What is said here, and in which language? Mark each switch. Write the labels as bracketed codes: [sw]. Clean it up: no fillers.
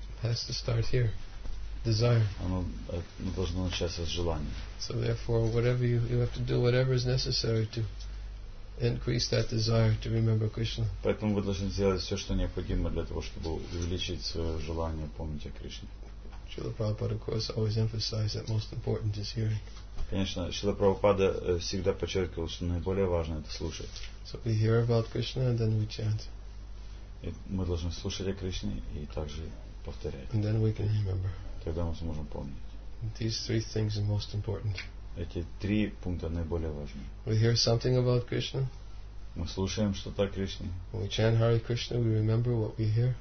[en] It has to start here. Desire. [ru] Оно должно начаться с желания. [en] So therefore, whatever you have to do, whatever is necessary to increase that desire to remember Krishna. [ru] Поэтому вы должны сделать все, что необходимо для того, чтобы увеличить свое желание помнить о Кришне. [en] Srila Prabhupada, of course, always emphasized that most important is hearing. [ru] Конечно, Шрила Прабхупада всегда подчеркивал, что наиболее важно это слушать. [en] So we hear about Krishna and then we chant. [ru] И мы должны слушать о Кришне и также повторять. [en] And then we can remember. [ru] Тогда мы сможем помнить. [en] These three things are most important. [ru] Эти три пункта наиболее важны. [en] We hear something about Krishna. [ru] Мы слушаем что-то о Кришне. [en] When we chant Hare Krishna, we remember what we hear.